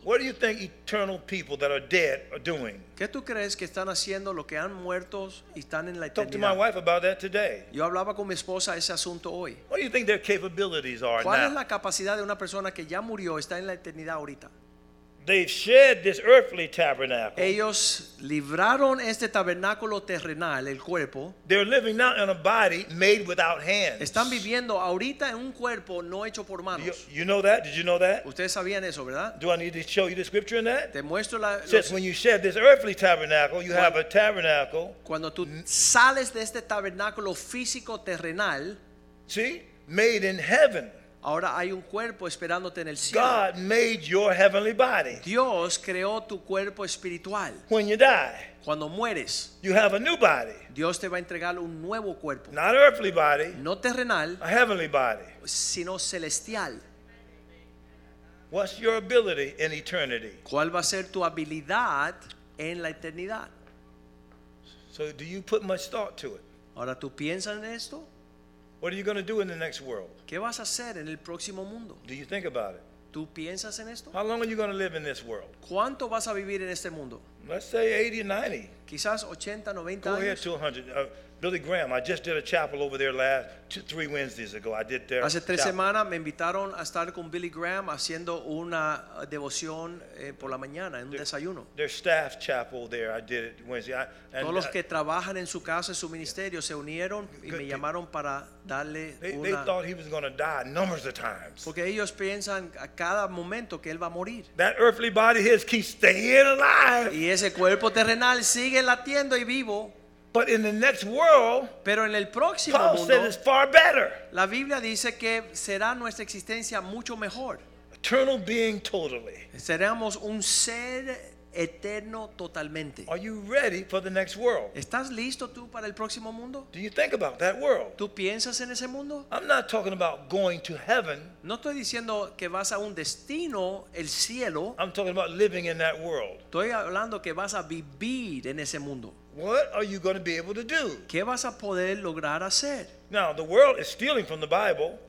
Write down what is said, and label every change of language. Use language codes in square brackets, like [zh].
[en] What do you think eternal people that are dead are doing? [es] ¿Qué tú crees que están haciendo los que han muerto y están en la eternidad? [en] Talk to my wife about that today. [es] Yo hablaba con mi esposa ese asunto hoy. [en] What do you think their capabilities are [es] ¿Cuál es la capacidad de una persona que ya murió está en la eternidad ahorita? [en] They've shed this earthly tabernacle. [es] Ellos libraron este tabernáculo terrenal, el cuerpo. [en] They're living now in a body made without hands. [es] Están viviendo ahorita en un cuerpo no hecho por manos. [en] You know that? Did you know that? [es] Ustedes sabían eso, ¿verdad? [en] Do I need to show you the scripture in that? [es] Te muestro la. [en] Says when you shed this earthly tabernacle, you have a tabernacle. [es] Cuando tú sales de este tabernáculo físico terrenal, [en] see, made in heaven. [es] Ahora hay un cuerpo esperándote en el cielo. [en] God made your heavenly body. [es] Dios creó tu cuerpo espiritual. [en] When you die, [es] cuando mueres, [en] you have a new body. [es] Dios te va a entregar un nuevo cuerpo. [en] Not earthly body, [es] no terrenal, [en] a heavenly body, [es] sino celestial. [en] What's your ability in eternity? [es] ¿Cuál va a ser tu habilidad en la eternidad? [en] So do you put much thought to it? [es] Ahora tú piensas en esto. [en] What are you going to do in the next world? [es] ¿Qué vas a hacer en el próximo mundo? [en] Do you think about it? [es] ¿Tú piensas en esto? [en] How long are you going to live in this world? [es] ¿Cuánto vas a vivir en este mundo? [en] Let's say 80 or 90. [es] Quizás 80, 90 años. [en] Go ahead to 100. Billy Graham, I just did a chapel over there three Wednesdays ago. I did there. [es] Hace tres semanas me invitaron a estar con Billy Graham haciendo una devoción por la mañana en un desayuno. [en] Their staff chapel there, I did it Wednesday. [es] Todos los que trabajan en su casa, en su ministerio, se unieron y me llamaron para darle una. [en] They thought he was going to die numbers of times. [es] Porque ellos piensan a cada momento que él va a morir. [en] That earthly body his keeps staying alive. [es] Y ese cuerpo terrenal sigue latiendo y vivo. [en] But in the next world, [es] pero en el próximo [en] Paul [es] mundo, [en] said it's far better. [es] La Biblia dice que será nuestra existencia mucho mejor. [en] Eternal being totally. [es] Seremos un ser eterno totalmente. [en] Are you ready for the next world? [es] ¿Estás listo tú para el próximo mundo? [en] Do you think about that world? [es] ¿Tú piensas en ese mundo? [en] I'm not talking about going to heaven. [es] No estoy diciendo que vas a un destino, el cielo. [en] I'm talking about living in that world. [es] Estoy hablando que vas a vivir en ese mundo. [en] What are you going to be able to do? [es] ¿Qué vas a poder lograr hacer? [en] Now, the world is stealing from the Bible.